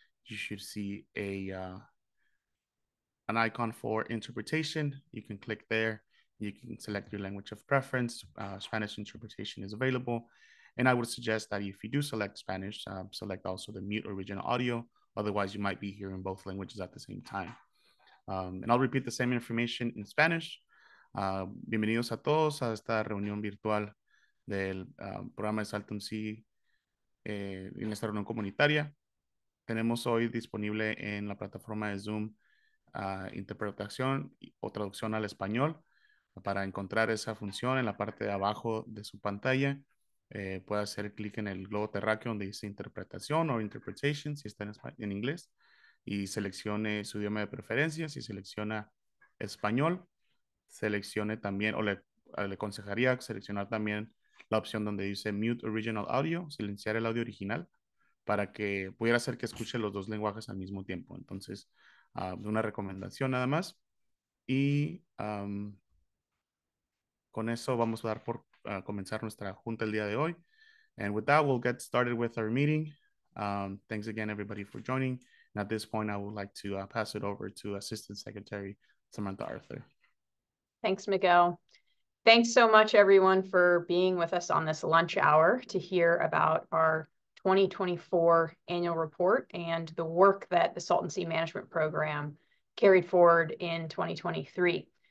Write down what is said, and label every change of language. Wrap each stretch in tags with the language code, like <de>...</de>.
<en>You should see a an icon for interpretation. You can click there. You can select your language of preference. Spanish interpretation is available. And I would suggest that if you do select Spanish, select also the mute original audio. Otherwise, you might be hearing both languages at the same time. And I'll repeat the same information in Spanish.</en> <es>Bienvenidos a todos a esta reunión virtual del programa de Salton Sea en esta reunión comunitaria. Tenemos hoy disponible en la plataforma de Zoom interpretación o traducción al español. Para encontrar esa función en la parte de abajo de su pantalla, puede hacer clic en el globo terráqueo donde dice interpretación o interpretation si está en inglés. Y seleccione su idioma de preferencia. Si selecciona español, seleccione también, o le aconsejaría seleccionar también la opción donde dice Mute Original Audio, silenciar el audio original, para que pudiera hacer que escuche los dos lenguajes al mismo tiempo. Entonces, una recomendación nada más. Y con eso vamos a dar por comenzar nuestra junta el día de hoy.</es> <en>And with that, we'll get started with our meeting. Thanks again, everybody, for joining. And at this point, I would like to pass it over to Assistant Secretary Samantha Arthur. Thanks, Miguel. Thanks so much, everyone, for being with us on this lunch hour to hear about our 2024 annual report and the work that the Salton Sea Management Program carried forward in 2023.</en>